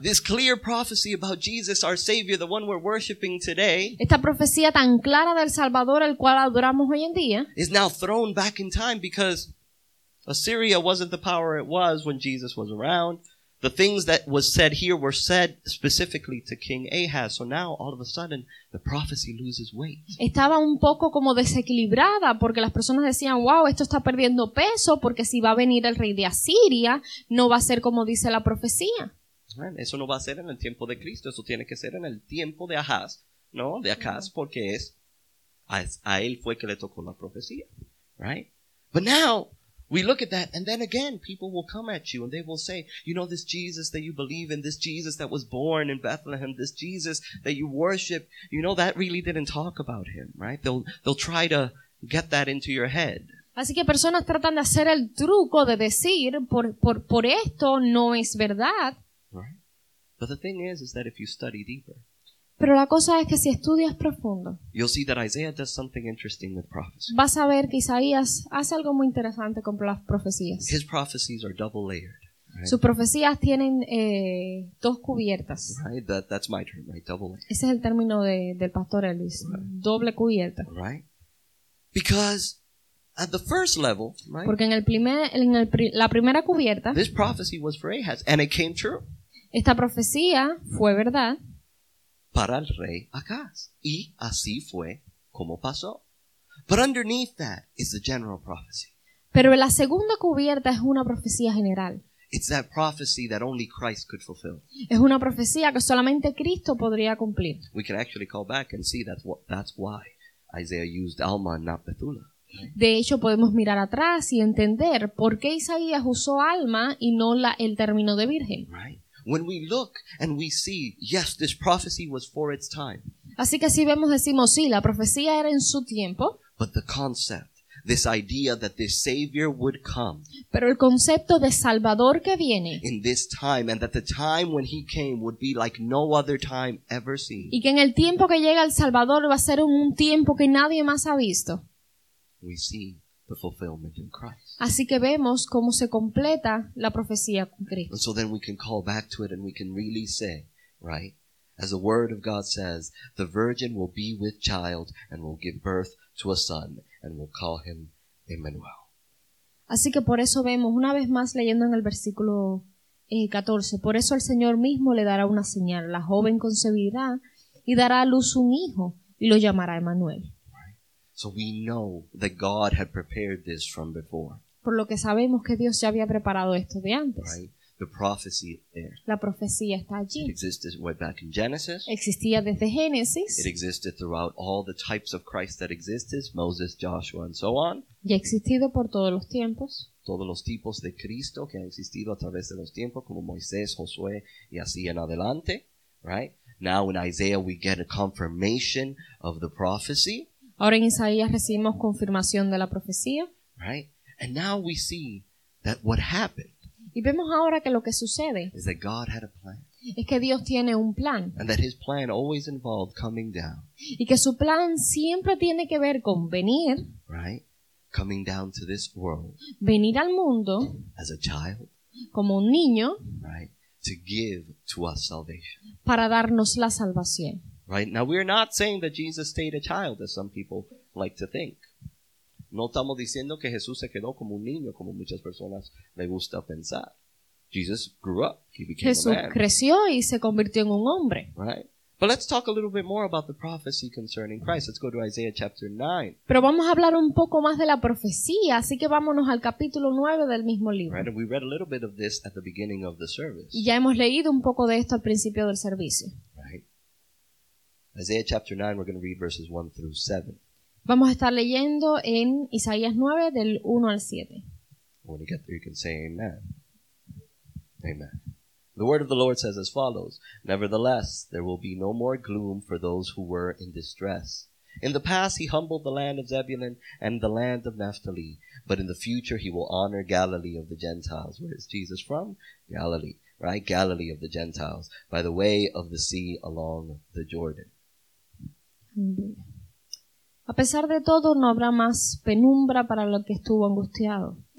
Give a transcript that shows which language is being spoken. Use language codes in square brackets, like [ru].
[en] This clear prophecy about Jesus, our Savior, the one we're worshiping today, [es] esta profecía tan clara del Salvador, el cual adoramos hoy en día, [en] is now thrown back in time because Assyria wasn't the power it was when Jesus was around. The things that was said here were said specifically to King Ahaz. So now, all of a sudden, the prophecy loses weight. [es] Estaba un poco como desequilibrada porque las personas decían, wow, esto está perdiendo peso porque si va a venir el rey de Asiria, no va a ser como dice la profecía. Eso no va a ser en el tiempo de Cristo. Eso tiene que ser en el tiempo de Ahaz, ¿no? De Ahaz, porque es a él fue que le tocó la profecía, [en] right? But now, we look at that, and then again, people will come at you, and they will say, you know, this Jesus that you believe in, this Jesus that was born in Bethlehem, this Jesus that you worship, you know, that really didn't talk about him, right? They'll try to get that into your head. [es] Así que personas tratan de hacer el truco de decir, por esto no es verdad. [en] Right? But the thing is that if you study deeper, [es] pero la cosa es que si estudias profundo, [en] you'll see that Isaiah does something interesting with prophecy. [es] Vas a ver que Isaías hace algo muy interesante con las profecías. [en] His prophecies are double layered. Right? [es] Sus profecías tienen dos cubiertas. [en] Right? That's my term, right? Double layered. [es] Ese es el término del pastor Elvis. [en] Right. [es] Doble cubierta. [en] Right? Because at the first level, right? [es] Porque en la primera cubierta, [en] this prophecy was for Ahaz, and it came true. [es] Esta profecía fue verdad para el rey Acaz. Y así fue como pasó. [en] But underneath that is the general prophecy. [es] Pero la segunda cubierta es una profecía general. [en] It's that prophecy that only Christ could fulfill. [es] Es una profecía que solamente Cristo podría cumplir. [en] We can actually call back and see that's why Isaiah used Alma and not Bethulah. [es] De hecho, podemos mirar atrás y entender por qué Isaías usó Alma y no el término de Virgen. [en] Right. When we look and we see, yes, this prophecy was for its time. [es] Así que si vemos, decimos, sí, la profecía era en su tiempo. [en] But the concept, this idea that this Savior would come. [es] Pero el concepto de Salvador que viene. [en] In this time, and that the time when he came would be like no other time ever seen. [es] Y que en el tiempo que llega el Salvador va a ser un tiempo que nadie más ha visto. [en] We see the fulfillment in Christ. [es] Así que vemos cómo se completa la profecía con Cristo. [en] And so then we can call back to it and we can really say, right? As the word of God says, the virgin will be with child and will give birth to a son and will call him Emmanuel. [es] Así que por eso vemos, una vez más leyendo en el versículo 14, por eso el Señor mismo le dará una señal. La joven concebirá y dará a luz un hijo y lo llamará Emmanuel. [en] So we know that God had prepared this from before. [es] Por lo que sabemos que Dios ya había preparado esto de antes. [en] Right? The prophecy is there. [es] La profecía está allí. [en] It existed way back in Genesis. [es] Existía desde Génesis. [en] It existed throughout all the types of Christ that existed, Moses, Joshua, and so on. [es] Y ha existido por todos los tiempos. Todos los tipos de Cristo que han existido a través de los tiempos, como Moisés, Josué, y así en adelante. [en] Right? Now in Isaiah we get a confirmation of the prophecy. [es] Ahora en Isaías recibimos confirmación de la profecía. [en] Right? And now we see that what happened. [es] Y vemos ahora que lo que sucede [en] is that God had a plan. [es] Es que Dios tiene un plan. [en] And that his plan always involved coming down. [es] Y que su plan siempre tiene que ver con venir. [en] Right? Coming down to this world. [es] Venir al mundo. [en] As a child. [es] como un niño, [en] right, to give to us salvation. [es] Para darnos la salvación. [en] Right? Now, we are not saying that Jesus stayed a child, as some people like to think. [es] No estamos diciendo que Jesús se quedó como un niño, como muchas personas le gusta pensar. [en] Jesus grew up, he became [es] Jesús [en] a man. [es] Creció y se convirtió en un hombre. [en] Right? But let's talk a little bit more about the prophecy concerning Christ. Let's go to Isaiah chapter 9. [es] Pero vamos a hablar un poco más de la profecía, así que vámonos al capítulo 9 del mismo libro. [en] Right, and we read a little bit of this at the beginning of the service. [es] Y ya hemos leído un poco de esto al principio del servicio. [en] Right. Isaiah chapter 9, we're going to read verses 1 through 7. [es] Vamos a estar leyendo en Isaías 9 del 1 al 7. [en] When you get there, you can say amen. Amen. The word of the Lord says as follows, "Nevertheless, there will be no more gloom for those who were in distress. In the past he humbled the land of Zebulun and the land of Naphtali, but in the future he will honor Galilee of the Gentiles." Where is Jesus from? Galilee, right? Galilee of the Gentiles, by the way of the sea along the Jordan. [es] A pesar de todo, no habrá más penumbra para lo que estuvo angustiado.